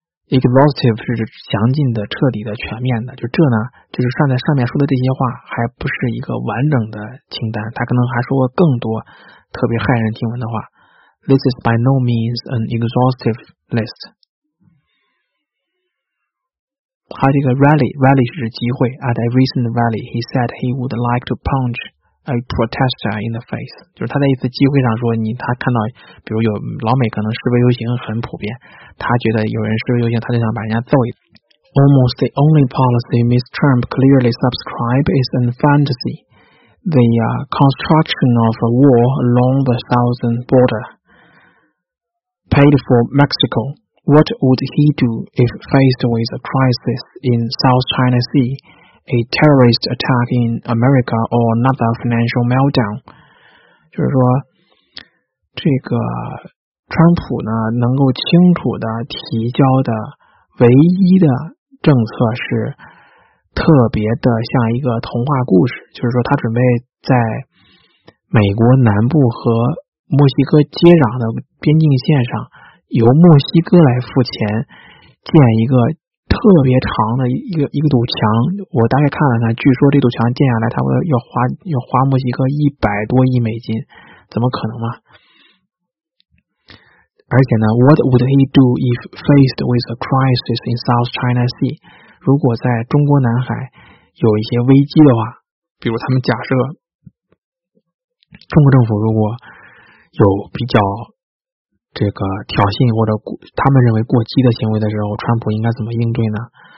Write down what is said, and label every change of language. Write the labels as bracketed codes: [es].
[zh] Exhaustive 是详尽的、彻底的、全面的，就这呢，就是上面说的这些话还不是一个完整的清单，他可能还说过更多特别骇人听闻的话。 [en] This is by no means an exhaustive list。 [zh] 他这个 rally 是集会， [en] at a recent rally he said he would like to punch a protester in the face， [zh] 就是他在一次集会上说，他看到比如有老美可能示威游行很普遍，他觉得有人示威游行，他就想把人家揍一次。 [en] Almost the only policy Ms. Trump clearly subscribes is a fantasy, the construction of a wall along the southern border, paid for Mexico. What would he do if faced with a crisis in South China Sea, a terrorist attack in America, or another financial meltdown? [zh] 就是说，这个川普呢能够清楚的提交的唯一的政策是特别的像一个童话故事，就是说他准备在美国南部和墨西哥接壤的边境线上由墨西哥来付钱建一个特别长的一个堵墙。我大概看了看，据说这堵墙建下来差不多要花墨西哥100多亿美金，怎么可能嘛。而且呢 [en] What would he do if faced with a crisis in South China Sea? [zh] 如果在中国南海有一些危机的话，比如他们假设中国政府如果有比较这个挑衅或者他们认为过激的行为的时候，川普应该怎么应对呢？